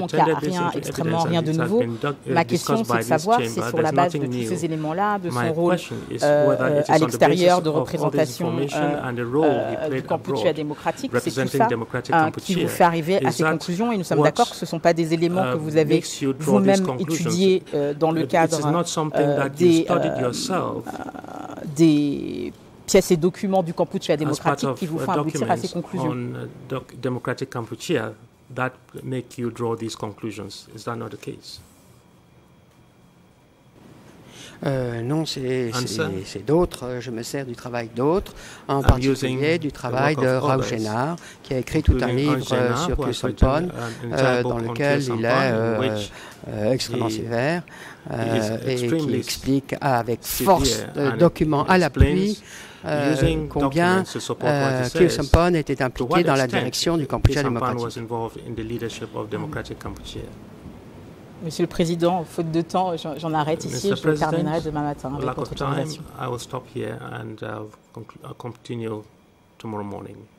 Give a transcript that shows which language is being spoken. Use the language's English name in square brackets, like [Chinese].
[French] Donc, il n'y a rien de nouveau. Ma question, c'est de savoir si, sur la base de tous ces éléments-là, de son rôle à l'extérieur de représentation du Cambodge démocratique, c'est tout ça qui vous fait arriver à ces conclusions. Et nous sommes d'accord que ce ne sont pas des éléments que vous avez vous-même étudiés dans le cadre des pièces et documents du Cambodge démocratique qui vous font aboutir à ces conclusions. [English] Democratic Cambodia that make you draw these conclusions. Is that not the case? [French] Non, c'est d'autres. Je me sers du travail d'autres, en particulier du travail de Raoul Génard, qui a écrit tout un livre sur Pierson Pond, dans lequel il est extrêmement sévère et qui explique avec force, documents à l'appui, combien Pierson Pond était impliqué dans la direction du Cambodge démocratique. Monsieur le Président, faute de temps, j'en arrête ici. Mr. Je terminerai demain matin avec votre autorisation. [English] I will stop here and continue tomorrow morning.